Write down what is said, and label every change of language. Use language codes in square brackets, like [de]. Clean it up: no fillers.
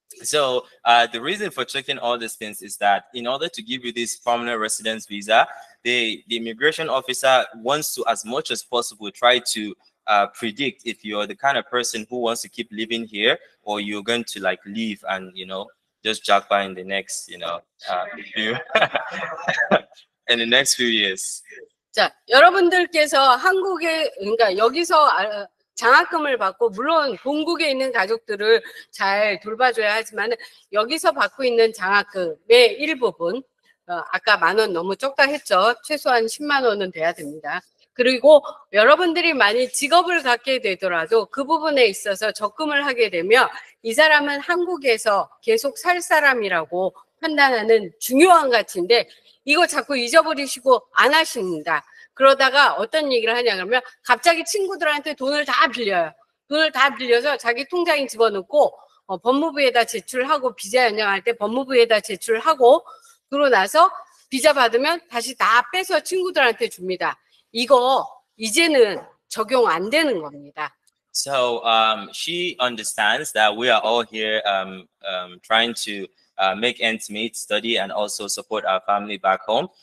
[en] So the reason for checking all these things is that in order to give you this permanent residence visa, the immigration officer wants to as much as possible try to predict if you're the kind of person who wants to keep living here or you're going to like leave and you know just jack by in the next you know few. In the next few years. [ko] 자, 여러분들께서 한국에 그러니까 여기서 장학금을 받고 물론 본국에 있는 가족들을 잘 돌봐줘야 하지만 여기서 받고 있는 장학금의 일부분 아까 만 원 너무 적다 했죠. 최소한 10만 원은 돼야 됩니다. 그리고 여러분들이 많이 직업을 갖게 되더라도 그 부분에 있어서 적금을 하게 되면 이 사람은 한국에서 계속 살 사람이라고 판단하는 중요한 가치인데 이거 자꾸 잊어버리시고 안 하십니다. 그러다가 어떤 얘기를 하냐 그러면 갑자기 친구들한테 돈을 다 빌려요. 돈을 다 빌려서 자기 통장에 집어넣고 법무부에다 제출하고 비자 연장할 때 법무부에다 제출하고 그러고 나서 비자 받으면 다시 다 빼서 친구들한테 줍니다. 이거 이제는 적용 안 되는 겁니다. [en] So she understands that we are all here trying to make ends meet, study, and also support our family back home.